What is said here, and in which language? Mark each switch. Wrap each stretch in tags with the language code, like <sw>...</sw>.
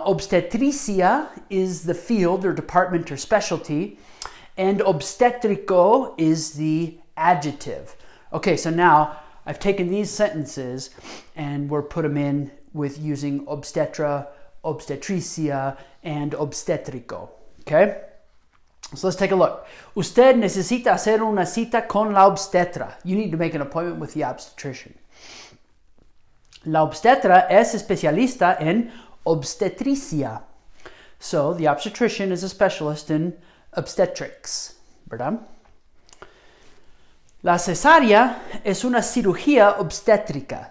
<en>Obstetricia is the field or department or specialty. And obstetrico is the adjective. Okay, so now I've taken these sentences and we're put them in with using obstetra, obstetricia, and obstetrico. Okay? So let's take a look.</en> <es>Usted necesita hacer una cita con la obstetra.</es> <en>You need to make an appointment with the obstetrician.</en> <es>La obstetra es especialista en obstetricia.</es> <en>So the obstetrician is a specialist in obstetrics.</en> <es>¿Verdad? La cesárea es una cirugía obstétrica.</es>